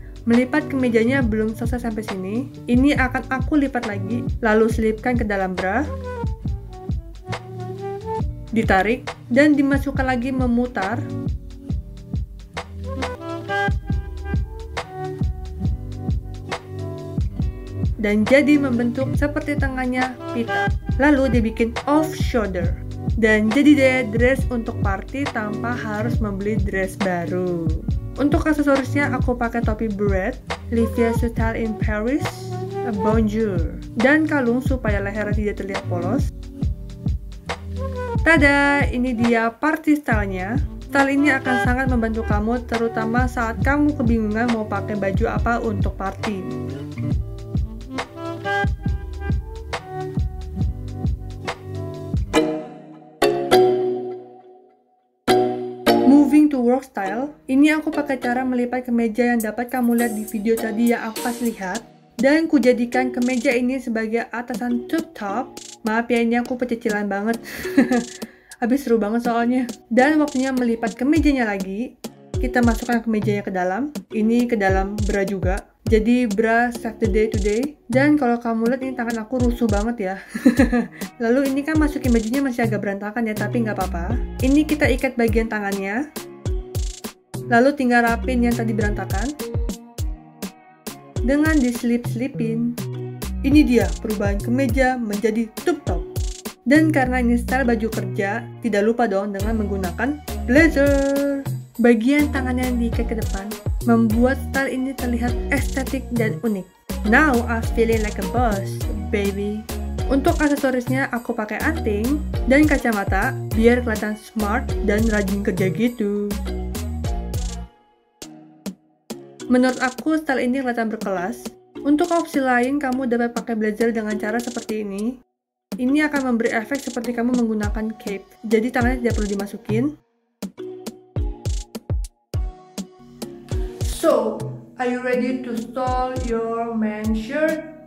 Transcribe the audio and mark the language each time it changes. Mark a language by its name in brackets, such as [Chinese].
[Indonesian] Melipat kemejanya belum selesai sampai sini. Ini akan aku lipat lagi, lalu selipkan ke dalam bra. Ditarik dan dimasukkan lagi memutar. Dan jadi membentuk seperti tangannya pita. Lalu dibikin off shoulder. Dan jadi deh dress untuk party tanpa harus membeli dress baru. Untuk aksesorisnya aku pakai topi beret, Livia [English] Style in Paris, [French] bonjour. [Indonesian] Dan kalung supaya lehernya tidak terlihat polos. Tada, ini dia party stylenya. Style ini akan sangat membantu kamu, terutama saat kamu kebingungan mau pakai baju apa untuk party. [English] Moving to work style, [Indonesian] ini aku pakai cara melipat kemeja yang dapat kamu lihat di video tadi yang aku pas lihat. Dan ku jadikan kemeja ini sebagai atasan tube top. Maaf ya, ini aku pececilan banget. Habis seru banget soalnya. Dan waktunya melipat kemejanya lagi. Kita masukkan kemejanya ke dalam. Ini ke dalam bra juga. Jadi bra Saturday today. Dan kalau kamu lihat ini tangan aku rusuh banget ya. Lalu ini kan masukin bajunya masih agak berantakan ya, tapi nggak apa-apa. Ini kita ikat bagian tangannya. Lalu tinggal rapin yang tadi berantakan. Dengan dislip-slipin. Ini dia perubahan kemeja menjadi tube top. Dan karena ini style baju kerja, tidak lupa dong dengan menggunakan blazer. Bagian tangan yang diikat ke depan membuat style ini terlihat estetik dan unik. [English] Now I feeling like a boss, baby. [Indonesian] Untuk aksesorisnya aku pakai anting dan kacamata biar kelihatan smart dan rajin kerja gitu. Menurut aku style ini kelihatan berkelas. Untuk opsi lain kamu dapat pakai blazer dengan cara seperti ini. Ini akan memberi efek seperti kamu menggunakan cape. Jadi tangannya tidak perlu dimasukin. [English] So, are you ready to style your man shirt?